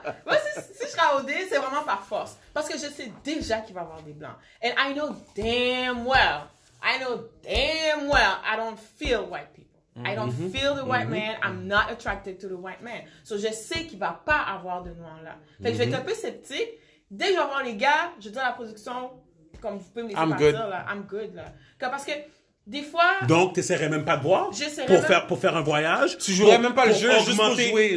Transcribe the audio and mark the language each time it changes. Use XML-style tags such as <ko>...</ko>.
<fr>Si je serais à OD, c'est vraiment par force. Parce que je sais déjà qu'il va y avoir des blancs.</fr> <en>And I know damn well I don't feel white people. I don't feel the white man. I'm not attracted to the white man.</en> <fr>So je sais qu'il va pas avoir de noir là. Fait que je vais être un peu sceptique. Dès que je vais voir les gars, je dis à la production, comme vous pouvez me dire,</fr> <en>I'm good.</en> <fr>Là,</fr> <en>I'm good</en> <fr>là. Parce que Des fois. Donc, tu n'essaierais même pas de boire pour faire un voyage. Tu jouerais même pas le jeu juste pour jouer.</fr>